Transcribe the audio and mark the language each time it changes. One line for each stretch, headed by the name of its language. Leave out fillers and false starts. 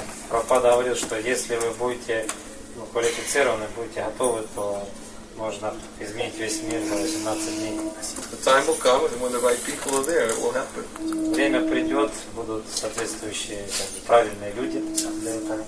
Russian: Прабхупада говорил, что если вы будете квалифицированы, будете готовы, то можно изменить весь мир за 18 дней.
English: The time will come, and when the right people are there, it will happen.
Russian: Время придет, будут соответствующие правильные люди для этого.